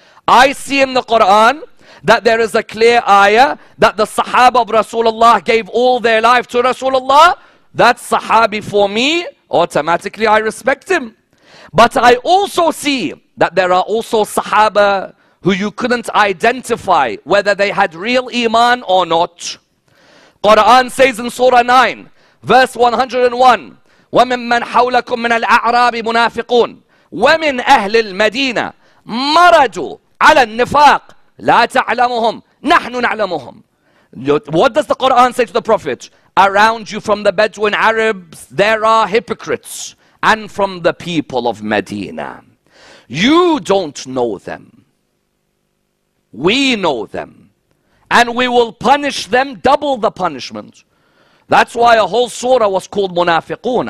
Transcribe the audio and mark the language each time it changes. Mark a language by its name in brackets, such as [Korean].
[English] I see in the Quran that there is a clear ayah that the Sahaba of Rasulullah gave all their life to Rasulullah. That Sahabi for me, automatically I respect him. But I also see that there are also Sahaba who you couldn't identify whether they had real Iman or not. Quran says in Surah 9, verse 101, [Arabic] وَمِنْ مَنْ حَوْلَكُمْ مِنَ الْأَعْرَابِ مُنَافِقُونَ وَمِنْ أَهْلِ الْمَدِينَةِ مَرَدُوا عَلَى النِّفَاقِ لَا تَعْلَمُهُمْ نَحْنُ نَعْلَمُهُمْ. [English] What does the Quran say to the Prophet? Around you from the Bedouin Arabs, there are hypocrites, and from the people of Medina. You don't know them. We know them. And we will punish them double the punishment. That's why a whole surah was called Munafiqun.